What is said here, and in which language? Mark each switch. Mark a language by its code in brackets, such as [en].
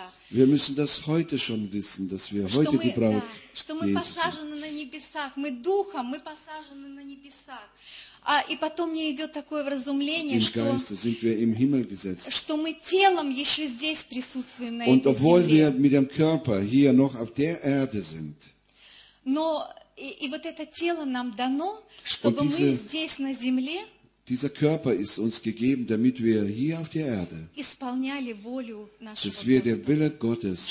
[de] Wir müssen das heute schon wissen, dass wir heute die Braut Jesu sind. [ru] А, и потом мне идет такое вразумление, что мы телом еще здесь присутствуем на [de] und [ru] этой земле. [de] Wir mit dem Körper hier noch auf der Erde sind. [ru] Но и вот это тело нам дано, чтобы [de] diese, [ru] мы здесь на земле [de] dieser Körper ist uns gegeben, damit wir hier auf der Erde [ru] исполняли волю нашего [de] dass wir der Wille Gottes